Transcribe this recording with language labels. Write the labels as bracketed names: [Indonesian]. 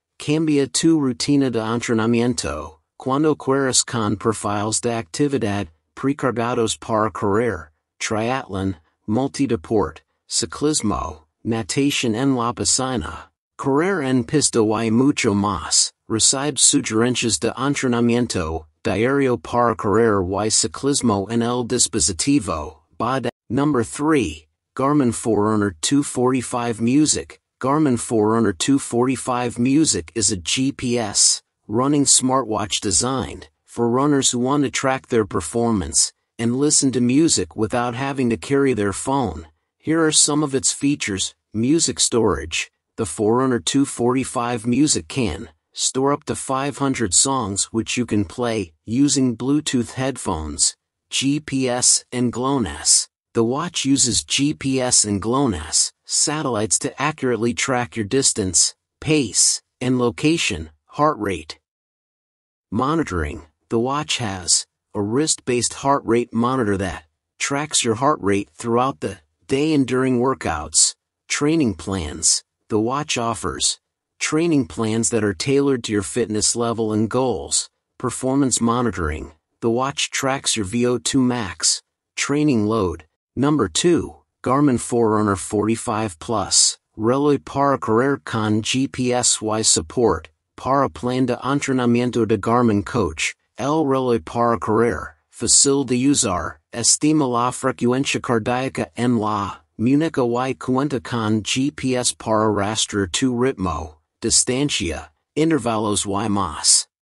[Spanish] Cambia tu rutina de entrenamiento cuando quieres con perfiles de actividad precargados para correr, triatlón, multideport, ciclismo, natación en la piscina, correr en pista y mucho más. Recibe sugerencias de entrenamiento diario para correr y ciclismo en el dispositivo. [English] Number 3, Garmin Forerunner 245 Music. Garmin Forerunner 245 Music is a GPS running smartwatch designed for runners who want to track their performance and listen to music without having to carry their phone. Here are some of its features. Music storage. The Forerunner 245 Music can store up to 500 songs, which you can play using Bluetooth headphones, GPS, and GLONASS. The watch uses GPS and GLONASS satellites to accurately track your distance, pace, and location, heart rate. Monitoring. The watch has a wrist-based heart rate monitor that tracks your heart rate throughout the day and during workouts. Training plans. The watch offers training plans that are tailored to your fitness level and goals. Performance monitoring. The watch tracks your VO2 max, training load. Number 2, [Spanish] Garmin Forerunner 45 Plus, Reloj para Correr con GPS y Support, para Plan de Entrenamiento de Garmin Coach, el Reloj para Correr, Facil de Usar, Estima la Frecuencia Cardíaca en la Munica y Cuenta con GPS para Rastrear tu Ritmo, Distancia, Intervalos y Más.